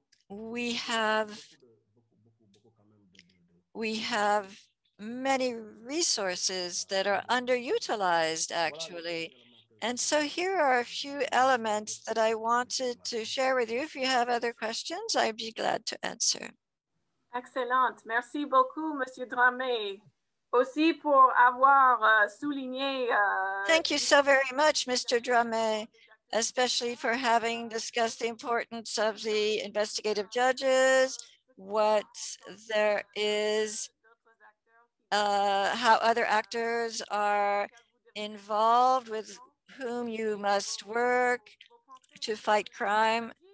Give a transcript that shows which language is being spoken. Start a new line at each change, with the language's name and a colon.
English: We have many resources that are underutilized, actually. And so here are a few elements that I wanted to share with you. If you have other questions, I'd be glad to answer. Excellent.
French: Merci beaucoup, Monsieur Dramé, aussi pour avoir souligné.
English: Thank you so very much, Mr. Dramé, especially for having discussed the importance of the investigative judges, what there is, how other actors are involved with whom you must work to fight crime.